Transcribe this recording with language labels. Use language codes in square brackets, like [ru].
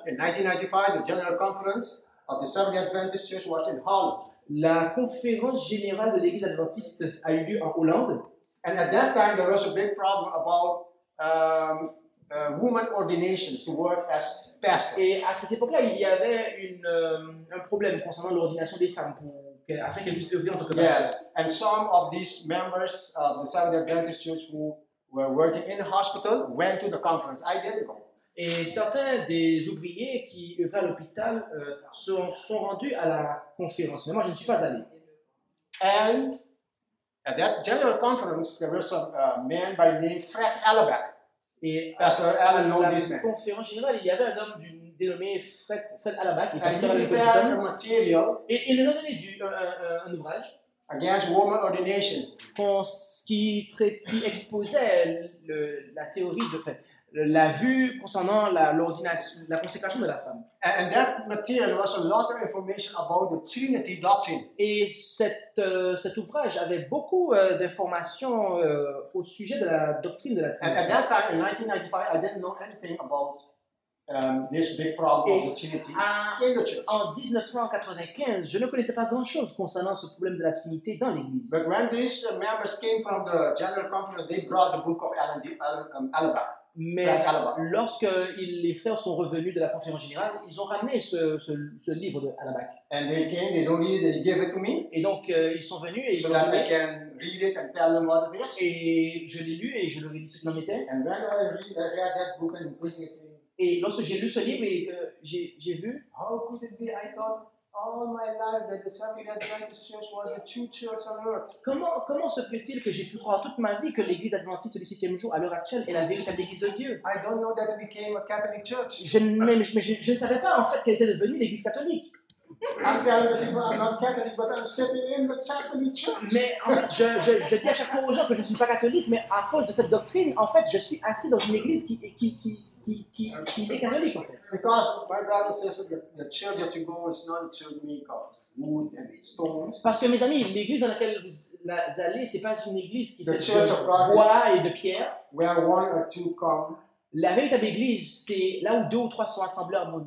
[en] In 1995, the General Conference of the Seventh-day Adventist Church was in Holland. [fr] La conférence générale de l'Église Adventiste a eu lieu en Hollande. [en] And at that time, there was a big problem about women ordinations to work as pastors. [fr] Et à cette époque-là, il y avait un problème concernant l'ordination des femmes afin qu'elles puissent servir en tant que pastors. [en] Yes, and some of these members of the Seventh-day Adventist Church who were working in the hospital went to the conference. I didn't go. [fr] Et certains des ouvriers qui œuvraient à l'hôpital sont rendus à la conférence. Mais moi, je ne suis pas allé. [en] And at that general conference, there were some men by the name Fred Allaback. Pastor Allen knew this man. [fr] À la conférence générale, il y avait un homme dénommé Fred Allaback. [en] And he prepared a material. [fr] Et il nous a donné un ouvrage. [en] Against woman ordination. [fr] Qui exposait la théorie de fait. La vue concernant l'ordination, la consécration de la femme. [en] And that material was a lot of information about the Trinity doctrine. [fr] Et cet ouvrage avait beaucoup d'informations au sujet de la doctrine de la Trinité. [en] And at that time, in 1995, I didn't know anything about this big problem of the Trinity in the church. [fr] En 1995, je ne connaissais pas grand-chose concernant ce problème de la Trinité dans l'Église. [en] But when these members came from the general conference, they brought the book of Allaback. [fr] Mais lorsque les frères sont revenus de la conférence générale, ils ont ramené ce livre de Allaback. [en] And they came, they don't read, they gave it to me. [fr] Et donc ils sont venus et [en] so that they can read it and tell them what it is. [fr] Et je l'ai lu et je leur ai dit ce qu'il en était. [en] And when I read that book and quickly said. [fr] Et lorsque j'ai lu ce livre et j'ai vu. [en] How could it be? I thought all my life that the Seventh Adventist Church was the true church on earth. [fr] Comment se fait-il que j'ai pu croire toute ma vie que l'Église Adventiste du Septième Jour à l'heure actuelle est la véritable Église de Dieu? [en] I don't know that it became a Catholic church. [fr] Je ne savais pas en fait qu'elle était devenue l'Église catholique. [en] I'm telling the people I'm not Catholic, but I'm sitting in the Catholic church. [fr] Mais en fait, je dis à chaque fois aux gens que je ne suis pas catholique, mais à cause de cette doctrine, en fait, je suis assis dans une église qui est catholique. [en] Because my brother says that the church that you go is not a church made of wood and stones. [fr] Parce que mes amis, l'église dans laquelle vous allez, c'est pas une église qui est faite de bois et de pierre. [en] Where one or two come. [fr] La véritable église, c'est là où deux ou trois sont assemblés en mon nom.